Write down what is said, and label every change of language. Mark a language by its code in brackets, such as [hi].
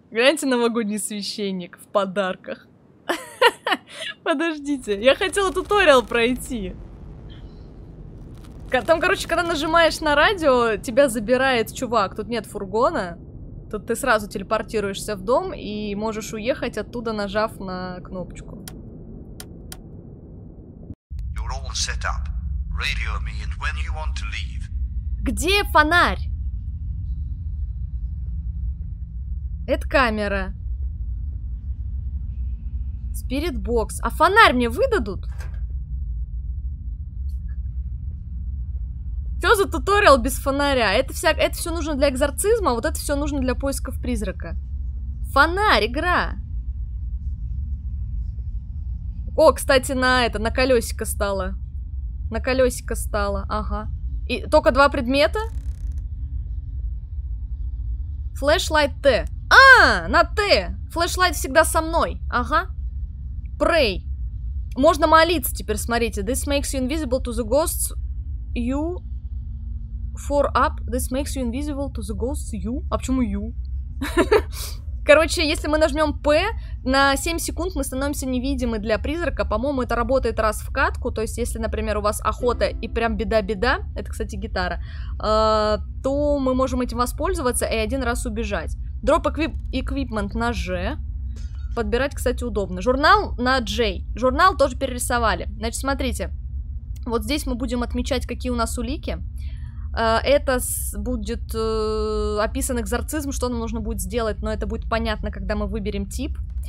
[ru] Гляньте, новогодний священник в подарках. Подождите, я хотела туториал пройти. Там, короче, когда нажимаешь на радио, тебя забирает чувак, тут нет фургона. Тут ты сразу телепортируешься в дом и можешь уехать оттуда, нажав на кнопочку. [en] Set up. Radio me and when you want to leave. [ru] Где фонарь? Это камера. Spirit box. А фонарь мне выдадут? Что за туториал без фонаря? Это все нужно для экзорцизма, а вот это все нужно для поисков призрака. Фонарь, игра. О, кстати, на это, на колесико стало. На колесико стало, ага. И только два предмета? Флешлайт Т. А, на Т! Флешлайт всегда со мной, ага. [en] Pray. [ru] Можно молиться теперь, смотрите. [en] This makes you invisible to the ghosts you... For up, this makes you invisible to the ghosts you... [ru] А почему you? Короче, если мы нажмем P, на 7 секунд мы становимся невидимы для призрака. По-моему, это работает раз в катку. То есть, если, например, у вас охота и прям беда-беда, это, кстати, гитара, то мы можем этим воспользоваться и один раз убежать. [en] Drop equipment на G. [ru] Подбирать, кстати, удобно. Журнал на J. Журнал тоже перерисовали. Значит, смотрите. Вот здесь мы будем отмечать, какие у нас улики. Это будет описан экзорцизм, что нам нужно будет сделать, но это будет понятно, когда мы выберем тип.